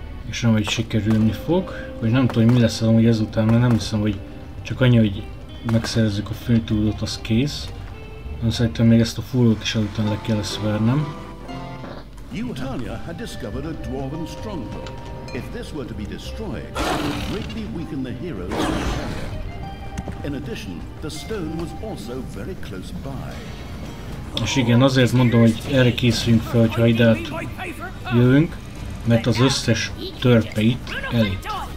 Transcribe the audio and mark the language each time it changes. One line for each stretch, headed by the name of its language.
Hungarian: És nem, hogy sikerülni fog. Vagy nem tudom, hogy mi lesz amúgy ezután, mert nem hiszem, hogy csak annyi, hogy megszerezzük a főtúdot, az kész. Nem szerintem még ezt a fúrót is ezután le kell szvernem.
English: Utalia had discovered a dwarven stronghold. If this were to be destroyed, it would greatly weaken the heroes of Utalia. In addition, the stone was also very close by.
Hungarian: És igen, azért mondom, hogy erre készüljünk fel, hogyha ide jövünk, mert az összes törpe itt elit.